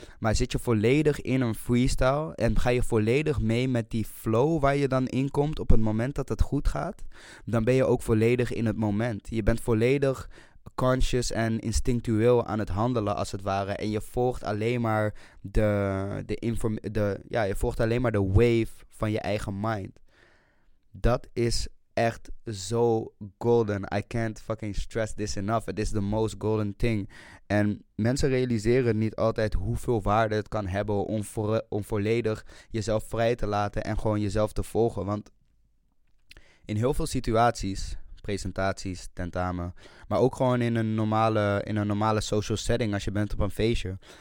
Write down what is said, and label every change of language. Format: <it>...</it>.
<nl>Maar zit je volledig in een freestyle en ga je volledig mee met die flow waar je dan in komt op het moment dat het goed gaat, dan ben je ook volledig in het moment. Je bent volledig conscious en instinctueel aan het handelen als het ware en je volgt alleen maar je volgt alleen maar de wave van je eigen mind. Dat is echt zo golden.</nl> <en>I can't fucking stress this enough. It is the most golden thing.</en> <nl>En mensen realiseren niet altijd hoeveel waarde het kan hebben om volledig jezelf vrij te laten en gewoon jezelf te volgen. Want in heel veel situaties, presentaties, tentamen, maar ook gewoon in een normale social setting als je bent op een feestje.</nl>